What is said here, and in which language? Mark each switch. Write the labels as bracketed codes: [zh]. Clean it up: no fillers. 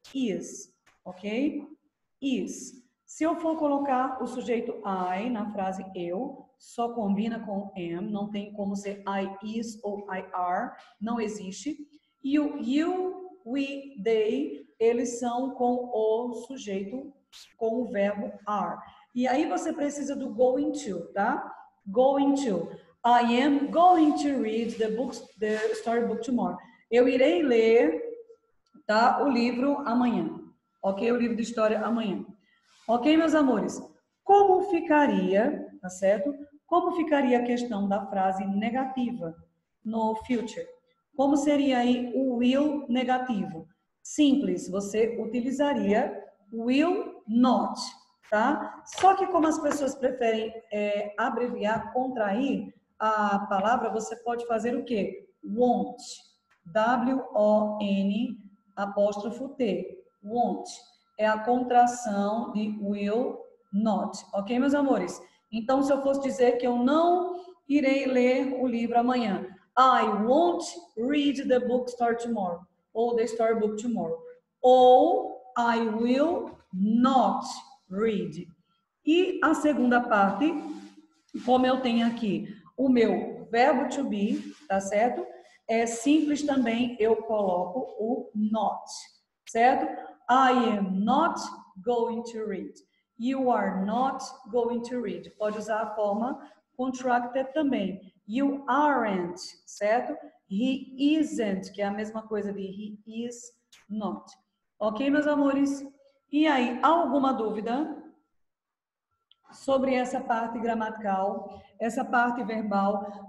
[pt] Is, ok? Is. Se eu for colocar o sujeito I na frase eu, só combina com am, não tem como ser I is ou I are, não existe. E o you, we, they, eles são com o sujeito, com o verbo are. E aí você precisa do going to, tá? [en] Going to. I am going to read the storybook tomorrow. [pt] Eu irei ler, tá, o livro amanhã. Ok? O livro de história amanhã. Ok, meus amores? Como ficaria, tá certo? Como ficaria a questão da frase negativa no future? Como seria aí o will negativo? Simples, você utilizaria will not, tá? Só que como as pessoas preferem abreviar, contrair a palavra, você pode fazer o quê? Won't. W-O-N apóstrofo T. Won't. É a contração de will not. Ok, meus amores? Então, se eu fosse dizer que eu não irei ler o livro amanhã. [en] I won't read the bookstore tomorrow. Ou the storybook tomorrow. Ou I will not read. [pt] E a segunda parte, como eu tenho aqui o meu verbo to be, tá certo? É simples também, eu coloco o not, certo? [en] I am not going to read. You are not going to read. [pt] Pode usar a forma contracted também. [en] You aren't, [pt] certo? [en] He isn't, [pt] que é a mesma coisa de [en] he is not. [pt] Ok, meus amores? E aí, alguma dúvida sobre essa parte gramatical, essa parte verbal?